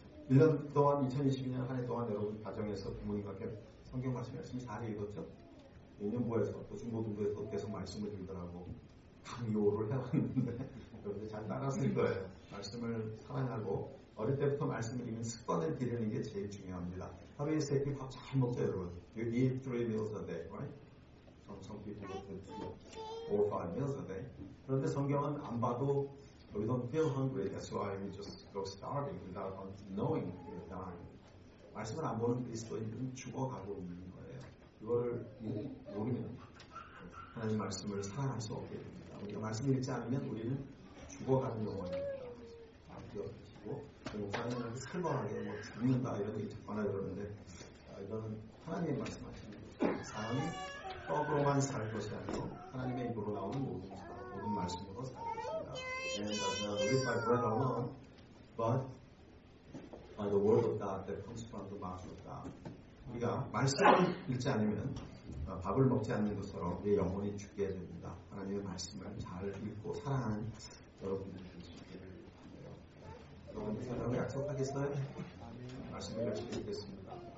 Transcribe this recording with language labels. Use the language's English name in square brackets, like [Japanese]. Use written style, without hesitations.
[Korean] 1년 동안 2022년 한 해 동안 여러분 가정에서 부모님과 성경 말씀 열심히 잘 읽었죠? 인연부에서 또 중고등부에서 계속 말씀을 읽더라고 강요를 해왔는데 여러분들 잘 따랐을 거예요. 말씀을 사랑하고 어릴 때부터 말씀을 읽는 습관을 기르는 게 제일 중요합니다. 하루에 세 끼 밥 잘 먹자 여러분. [English] You eat three meals a day, right? Some people eat two or five meals a day. [Korean] 그런데 성경은 안 봐도 [English] We don't feel hungry. That's why we just go starving without knowing we're dying. [Korean] 말씀을 안 보는 그리스도인들은 죽어가고 있는 거예요. 이거를 모르면 하나님 말씀을 사랑할 수 없게 됩니다. 우리가 말씀을 읽지 않으면 우리는 죽어가는 영혼입니다. 아껴지고 목사님을 슬퍼하게 뭐 죽는다 이런 게 적거나 그러는데 이거는 하나님의 말씀하시는 거예요. 사람이 떡으로만 살 것이 아니고 하나님의 입으로 나오는 모든 말씀으로 살 것입니다. [English] And not by bread alone, but by the word of God that comes from the mouth of God. [Korean] 우리가 말씀을 읽지 않으면 밥을 먹지 않는 것처럼 우리 영혼이 죽게 됩니다. 하나님의 말씀을 잘 읽고 사랑하는 여러분들이 되시기를 바라요. 여러분들 사랑을 약속하겠어요? 말씀을 열심히 읽겠습니다.